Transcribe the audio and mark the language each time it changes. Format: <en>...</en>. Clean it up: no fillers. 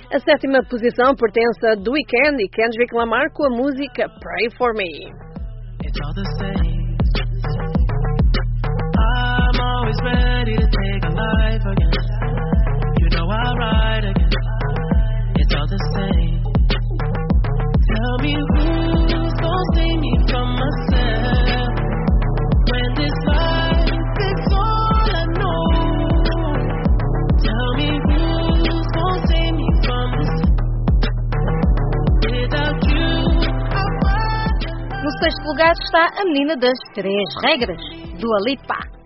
<pt>A sétima posição pertence a The Weeknd e Kendrick Lamar com a música Pray For Me.</pt> <en>It's all the same. Always ready to take a life again. You know I'll ride again. It's all the same. Tell me who's gonna save me from myself when this life is all I know. Tell me who's gonna save me from myself. Without you, I'll find.</en> <pt>No sexto lugar está a menina das três regras, Dua Lipa.</pt>